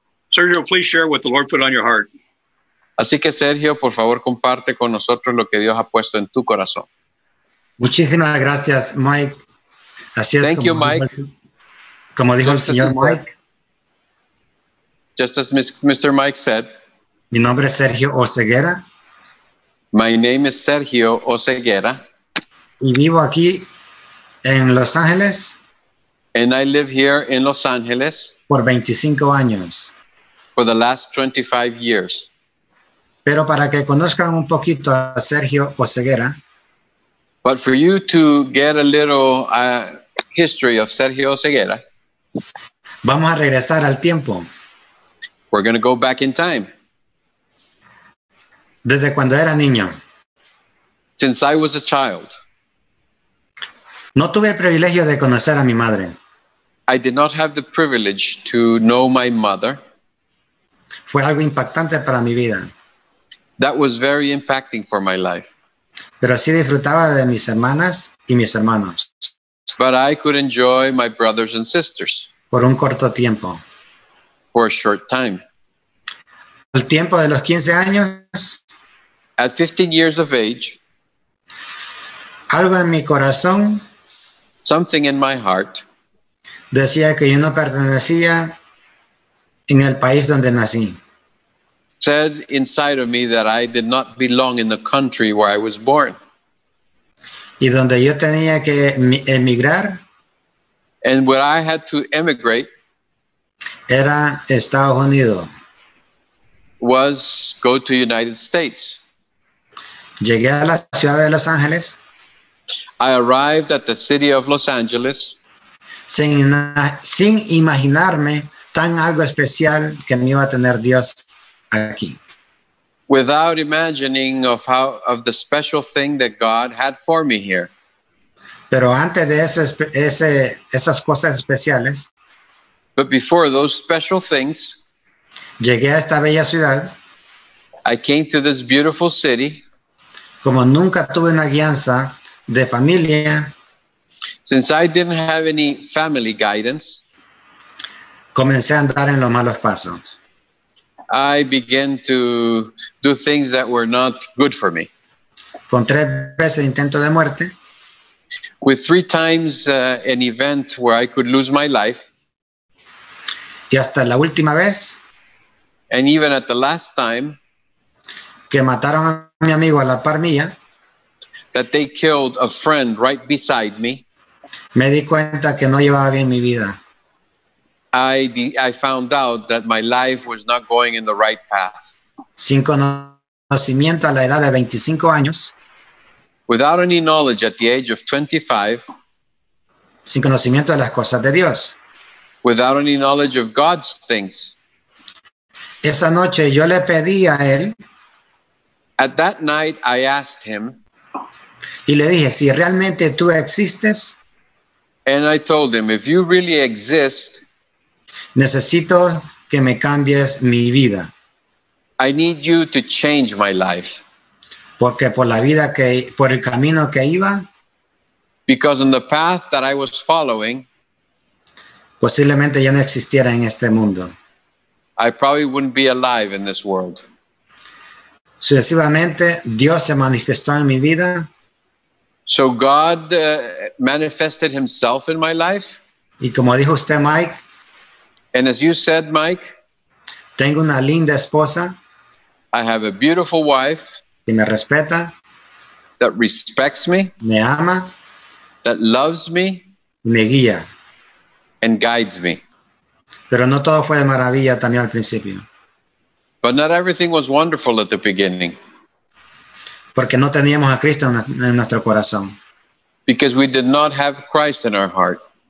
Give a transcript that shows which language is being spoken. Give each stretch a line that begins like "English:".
English: Sergio, please share what the Lord put on your heart.
Spanish: Así que Sergio, por favor, comparte con nosotros lo que Dios ha puesto en tu corazón. Muchísimas gracias, Mike. Así es.
English: Thank you, Mike.
Spanish: Como dijo el señor Mike.
English: Just as Mr. Mike said.
Spanish: Mi nombre es Sergio Oseguera.
English: My name is Sergio Oseguera.
Spanish: Y vivo aquí en Los Ángeles.
English: And I live here in Los Angeles.
Spanish: Por 25 años.
English: For the last 25 years.
Spanish: Pero para que conozcan un poquito a Sergio Oseguera.
English: But for you to get a little history of Sergio Oseguera.
Spanish: Vamos a regresar al tiempo.
English: We're going to go back in time.
Spanish: Desde cuando era niño.
English: Since I was a child.
Spanish: No tuve el privilegio de conocer a mi madre.
English: I did not have the privilege to know my mother.
Spanish: Fue algo impactante para mi vida.
English: That was very impacting for my life.
Spanish: Pero sí disfrutaba de mis hermanas y mis hermanos.
English: But I could enjoy my brothers and sisters.
Spanish: Por un corto tiempo.
English: For a short time.
Spanish: Al tiempo de los 15 años.
English: At 15 years of age.
Spanish: Algo en mi corazón.
English: Something in my heart.
Spanish: Decía que yo no pertenecía en el país donde nací.
English: Said inside of me that I did not belong in the country where I was born.
Spanish: Y donde yo tenía que emigrar.
English: And where I had to emigrate.
Spanish: Era Estados Unidos.
English: Was go to United States.
Spanish: Llegué a la ciudad de Los Ángeles.
English: I arrived at the city of Los Angeles.
Spanish: Sin imaginarme tan algo especial que me iba a tener Dios aquí.
English: Without imagining of the special thing that God had for me here.
Spanish: Pero antes de esas cosas especiales.
English: But before those special things.
Spanish: Llegué a esta bella ciudad.
English: I came to this beautiful city.
Spanish: Como nunca tuve una guianza de familia.
English: Since I didn't have any family guidance.
Spanish: Comencé a andar en los malos pasos.
English: I began to do things that were not good for me.
Spanish: con tres veces intento de muerte.
English: With three times an event where I could lose my life.
Spanish: Y hasta la última vez.
English: And even at the last time.
Spanish: Que mataron a mi amigo a la par mía.
English: That they killed a friend right beside me.
Spanish: Me di cuenta que no llevaba bien mi vida.
English: I found out that my life was not going in the right path.
Spanish: Sin conocimiento a la edad de 25 años.
English: Without any knowledge at the age of 25.
Spanish: Sin conocimiento de las cosas de Dios.
English: Without any knowledge of God's things.
Spanish: Esa noche yo le pedí a él.
English: At that night I asked him.
Spanish: Y le dije, si realmente tú existes.
English: And I told him, if you really exist.
Spanish: Necesito que me cambies mi vida.
English: I need you to change my life.
Spanish: Porque por la vida que, por el camino que iba.
English: Because on the path that I was following.
Spanish: Posiblemente ya no existiera en este mundo.
English: I probably wouldn't be alive in this world.
Spanish: Sucesivamente, Dios se manifestó en mi vida.
English: So God manifested himself in my life.
Spanish: Y como dijo usted, Mike.
English: And as you said, Mike.
Spanish: Tengo una linda esposa.
English: I have a beautiful wife.
Spanish: Que me respeta.
English: That respects me.
Spanish: Me ama.
English: That loves me.
Spanish: Me guía.
English: And guides me.
Spanish: Pero no todo fue de maravilla también al principio.
English: But not everything was wonderful at the beginning.
Spanish: Porque no teníamos a Cristo en nuestro corazón.
English: Because we did not have Christ in our heart.